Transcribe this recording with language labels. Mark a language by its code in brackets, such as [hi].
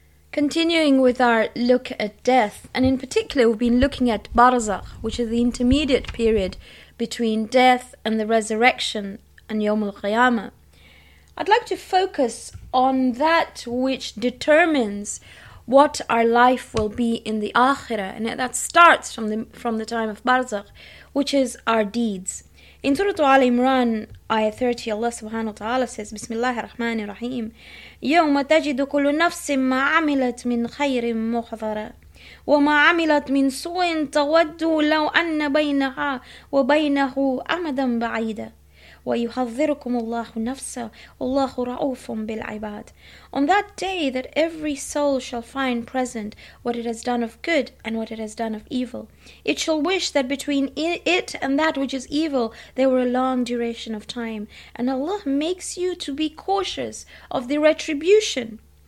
[en] Continuing with our look at death, and in particular we've been looking at Barzakh, which is the intermediate period between death and the resurrection and Yawm al-Qiyamah. I'd like to focus on that which determines what our life will be in the Akhirah, and that starts from the time of Barzakh, which is our deeds. In Surah Al-Imran, Ayah 30, Allah subhanahu wa ta'ala says, [ar] Bismillahir Rahmanir Rahim, يَوْمَ تَجِدُ كُلُّ نَفْسٍ مَا عَمِلَتْ مِنْ خَيْرٍ مُحْضَرًا وَمَا عَمِلَتْ مِنْ سُوءٍ تَوَدُّ لَوْ أَنَّ بَيْنَهَا وَبَيْنَهُ أَمَدًا بَعِيدًا وَيُحَذِّرُكُمُ اللَّهُ نَفْسَهُ وَاللَّهُ رَؤُوفٌ بِالْعِبَادِ. [en] On that day that every soul shall find present what it has done of good and what it has done of evil. It shall wish that between it and that which is evil there were a long duration of time. And Allah makes you to be cautious of the retribution.